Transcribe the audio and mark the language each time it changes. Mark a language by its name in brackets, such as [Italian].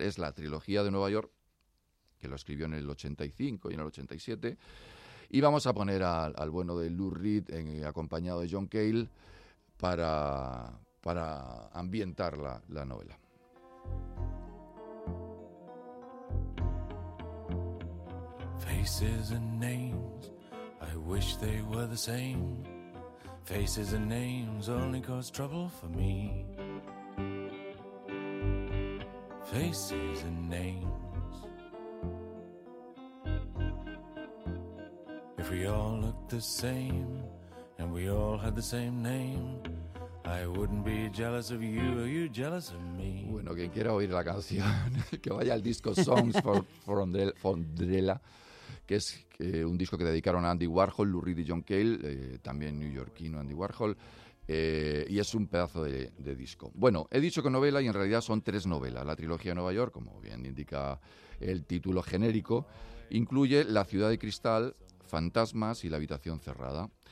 [Spanish] Es la trilogía de Nueva York, que lo escribió en el 85 y en el 87. Y vamos a poner al bueno de Lou Reed, acompañado de John Cale, para ambientar la novela. [English] Faces and names, I wish they were the same. Faces and names only cause trouble for me. Faces and names. If we all looked the same and we all had the same name, I wouldn't be jealous of you, are you jealous of me? [Spanish] Bueno, quien quiera oír la canción, que vaya al disco Songs for Fondrella, que es un disco que dedicaron a Andy Warhol, Lou Reed y John Cale, también neoyorquino Andy Warhol, y es un pedazo de disco. Bueno, he dicho que novela y en realidad son tres novelas. La trilogía de Nueva York, como bien indica el título genérico, incluye La ciudad de cristal, Fantasmas y La habitación cerrada.